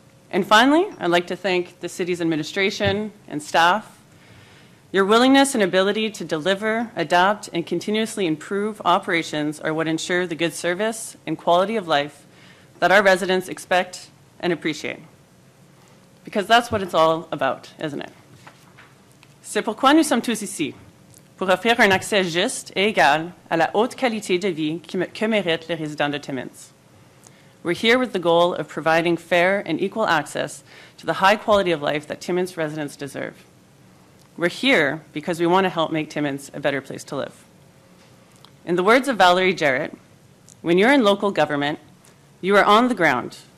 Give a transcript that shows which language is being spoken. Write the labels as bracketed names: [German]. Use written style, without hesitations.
[English] And finally, I'd like to thank the city's administration and staff. Your willingness and ability to deliver, adapt, and continuously improve operations are what ensure the good service and quality of life that our residents expect and appreciate. Because that's what it's all about, isn't it? [French] C'est pourquoi nous sommes tous ici, pour offrir un accès juste et égal à la haute qualité de vie que méritent les résidents de Timmins. [English] We're here with the goal of providing fair and equal access to the high quality of life that Timmins residents deserve. We're here because we want to help make Timmins a better place to live. In the words of Valerie Jarrett, when you're in local government, you are on the ground.